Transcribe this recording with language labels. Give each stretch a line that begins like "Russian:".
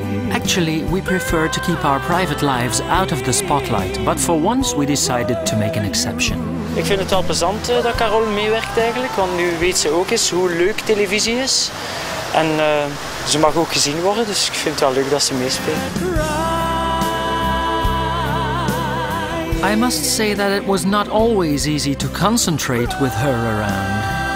English: Actually, we prefer to keep our private lives out of the spotlight, but for once we decided to make an exception.
Dutch: Ik vind het wel plezant dat Carol meewerkt eigenlijk, want nu weet ze ook eens hoe leuk televisie is. En ze mag ook gezien worden, dus ik vind het wel leuk dat ze meespeelt.
English: I must say that it was not always easy to concentrate with her around.